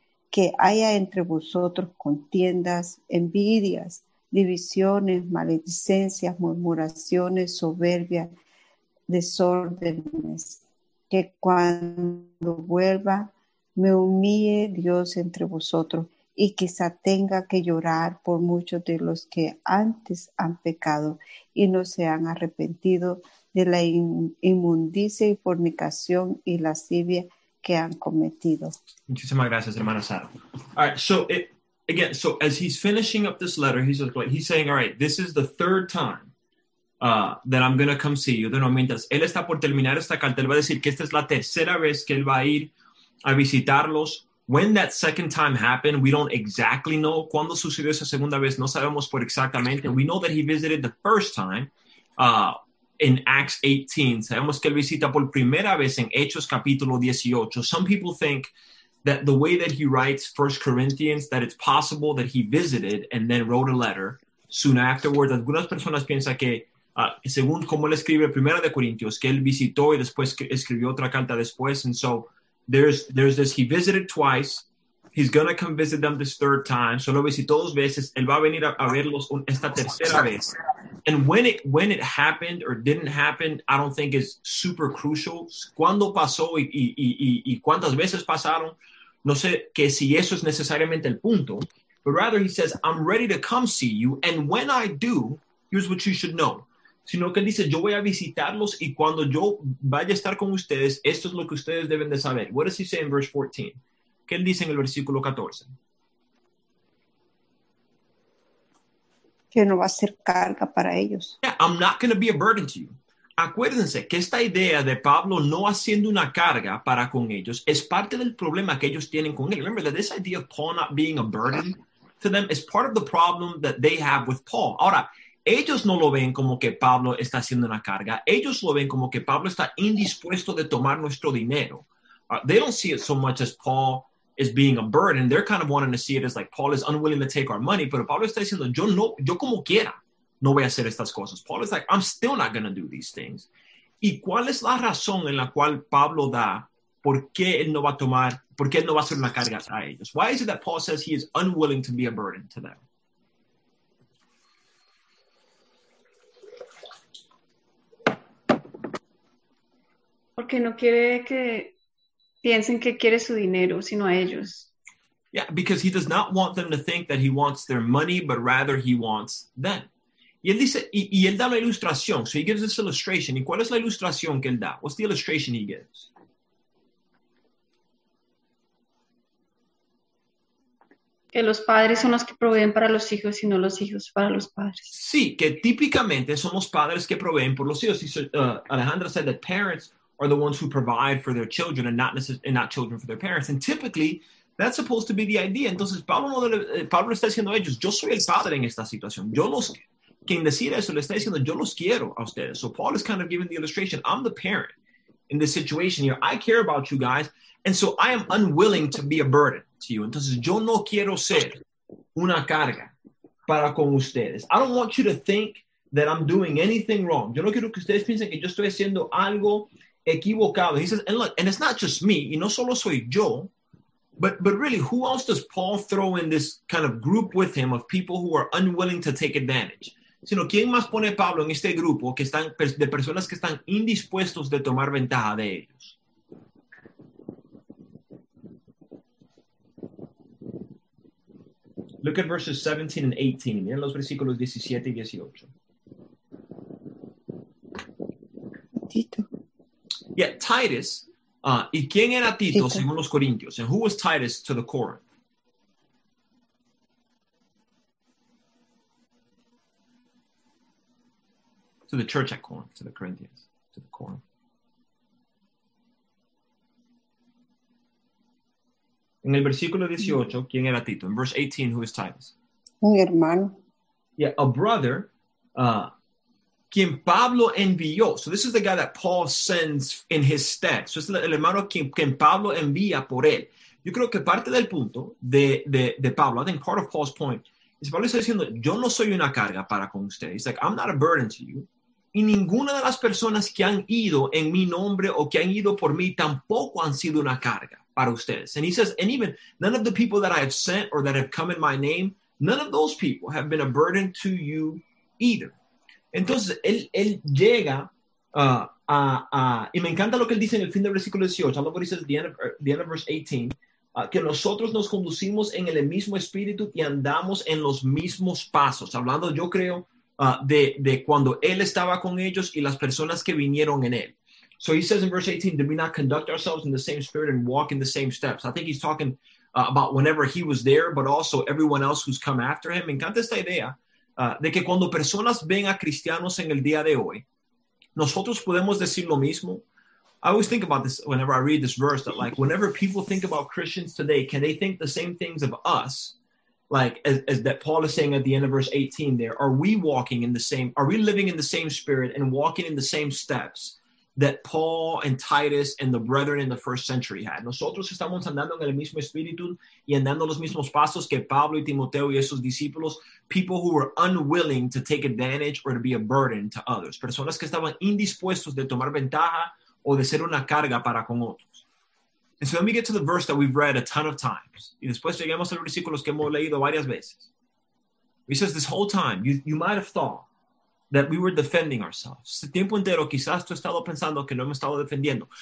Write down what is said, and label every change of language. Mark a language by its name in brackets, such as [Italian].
[Spanish] Que haya entre vosotros contiendas, envidias, divisiones, maledicencias, murmuraciones, soberbia, desórdenes, que cuando vuelva me humille Dios entre vosotros y quizá tenga que llorar por muchos de los que antes han pecado y no se han arrepentido de la inmundicia y fornicación y lascivia que han cometido. Muchísimas gracias, hermana Sara. [English] All right, again, so as he's finishing up this letter, he's saying, all right, this is the third time that I'm going to come see you. [Spanish] Bueno, mientras él está por terminar esta carta, él va a decir que esta es la tercera vez que él va a ir a visitarlos. [English] When that second time happened, we don't exactly know. [Spanish] ¿Cuándo sucedió esa segunda vez? No sabemos por exactamente. [English] We know that he visited the first time in Acts 18. [Spanish] Sabemos que él visita por primera vez en Hechos capítulo 18. [English] Some people think that the way that he writes 1 Corinthians, that it's possible that he visited and then wrote a letter soon afterwards. [Spanish] Algunas personas piensan que, según como él escribe Primera de Corintios, que él visitó y después escribió otra carta después. [English] And so there's this, he visited twice. He's going to come visit them this third time. [Spanish] Solo visitó dos veces. Él va a venir a verlos esta tercera vez. [English] And when it happened or didn't happen, I don't think is super crucial. [Spanish] ¿Cuándo pasó y cuántas veces pasaron? No sé que si eso es necesariamente el punto. [English] But rather, he says, I'm ready to come see you. And when I do, here's what you should know. [Spanish] Sino que dice, yo voy a visitarlos y cuando yo vaya a estar con ustedes, esto es lo que ustedes deben de saber. [English] What does he say in verse 14? [Spanish] ¿Qué él dice en el versículo 14? Que no va a ser carga para ellos. [English] Yeah, I'm not going to be a burden to you. [Spanish] Acuérdense que esta idea de Pablo no haciendo una carga para con ellos es parte del problema que ellos tienen con él. [English] Remember that this idea of Paul not being a burden to them is part of the problem that they have with Paul. [Spanish] Ahora, ellos no lo ven como que Pablo está haciendo una carga. Ellos lo ven como que Pablo está indispuesto de tomar nuestro dinero. [English] they don't see it so much as Paul is being a burden. They're kind of wanting to see it as like Paul is unwilling to take our money, [Spanish] pero Pablo está diciendo, yo no, yo como quiera, no voy a hacer estas cosas. [English] Paul is like, I'm still not going to do these things. [Spanish] ¿Y cuál es la razón en la cual Pablo da por qué él no va a tomar, por qué él no va a hacer una carga a ellos? [English] Why is it that Paul says he is unwilling to be a burden to them? [Spanish] Porque no quiere que piensen que quiere su dinero, sino a ellos. [English] Yeah, because he does not want them to think that he wants their money, but rather he wants them. [Spanish] Y él dice, y él da la ilustración. [English] So he gives this illustration. [Spanish] ¿Y cuál es la ilustración que él da? [English] What's the illustration he gives? [Spanish] Que los padres son los que proveen para los hijos y no los hijos para los padres. Sí, que típicamente somos padres que proveen por los hijos. [English] Alejandra said that parents are the ones who provide for their children and not children for their parents. And typically, that's supposed to be the idea. [Spanish] Entonces, Pablo está diciendo a ellos, yo soy el padre en esta situación. Yo los, quien decir eso le está diciendo, yo los quiero a ustedes. [English] So Paul is kind of giving the illustration, I'm the parent in this situation here. I care about you guys. And so I am unwilling to be a burden to you. [Spanish] Entonces, yo no quiero ser una carga para con ustedes. [English] I don't want you to think that I'm doing anything wrong. [Spanish] Yo no quiero que ustedes piensen que yo estoy haciendo algo equivocado. [English] He says, and look, and it's not just me, [Spanish] y no solo soy yo, [English] but really, who else does Paul throw in this kind of group with him of people who are unwilling to take advantage? [Spanish] Sino, ¿quién más pone Pablo en este grupo que están, de personas que están indispuestos de tomar ventaja de ellos? [English] Look at verses 17 and 18. [Spanish] Miren los versículos 17 y 18. Tito. [English] Yeah, Titus. [Spanish] ¿Y quién era Tito según los Corintios? [English] And who was Titus to the Corinth? To the church at Corinth, to the Corinthians, to the Corinth. [Spanish] En el versículo 18, ¿quién era Tito? [English] In verse 18, who is Titus? [Spanish] Un hermano. [English] Yeah, a brother, [Spanish] quien Pablo envió. [English] So this is the guy that Paul sends in his stead. [Spanish] So es el hermano quien Pablo envía por él. Yo creo que parte del punto de Pablo, [English] I think part of Paul's point, [Spanish] es Pablo está diciendo, yo no soy una carga para con usted. [English] He's like, I'm not a burden to you. [Spanish] Y ninguna de las personas que han ido en mi nombre o que han ido por mí tampoco han sido una carga para ustedes. [English] And he says, and even none of the people that I have sent or that have come in my name, none of those people have been a burden to you either. [Spanish] Entonces, él llega y me encanta lo que él dice en el fin del versículo 18. [English] I love what he says at the end of verse 18, [Spanish] que nosotros nos conducimos en el mismo espíritu y andamos en los mismos pasos. Hablando, yo creo, de cuando él estaba con ellos y las personas que vinieron en él. [English] So he says in verse 18, did we not conduct ourselves in the same spirit and walk in the same steps? I think he's talking about whenever he was there, but also everyone else who's come after him. [Spanish] Me encanta esta idea de que cuando personas ven a cristianos en el día de hoy, nosotros podemos decir lo mismo. [English] I always think about this whenever I read this verse, that like whenever people think about Christians today, can they think the same things of us? Like as that Paul is saying at the end of verse 18 there, are we walking in the same, are we living in the same spirit and walking in the same steps that Paul and Titus and the brethren in the first century had? [Spanish] Nosotros estamos andando en el mismo espíritu y andando los mismos pasos que Pablo y Timoteo y esos discípulos, [English] people who were unwilling to take advantage or to be a burden to others. [Spanish] Personas que estaban indispuestos de tomar ventaja o de ser una carga para con otros. [English] And so let me get to the verse that we've read a ton of times. [Spanish] Y después lleguemos a los versículos que hemos leído varias veces. [English] He says, this whole time, you might have thought that we were defending ourselves. [Spanish] Este tiempo entero, quizás tú has estado pensando que no hemos estado defendiendo.